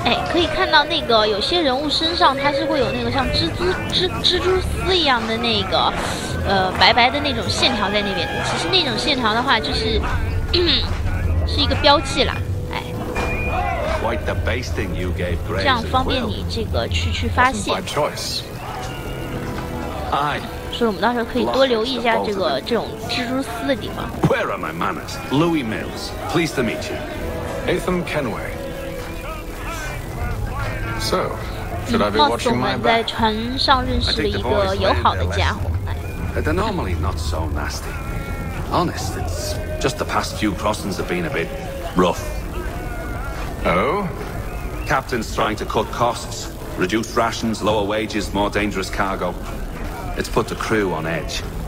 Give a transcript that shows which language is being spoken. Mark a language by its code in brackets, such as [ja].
[zh] 可以看到那个有些人物身上它是会有那个像蜘蛛丝一样的那个白白的那种线条在那边，其实那种线条的话就是是一个标记啦。哎，这样方便你这个去发现。所以我们到时候可以多留意一下这个这种蜘蛛丝的地方。 [en] Where are my manners? Louis Mills, pleased to meet you. Ethan Kenway. So, should I be watching my back? [zh] 在船上认识了一个友好的家伙。 [en] They're normally not so nasty. Honest, it's just the past few crossings have been a bit rough. Oh? Captain's trying to cut costs, reduce rations, lower wages, more dangerous cargo. It's put the crew on edge.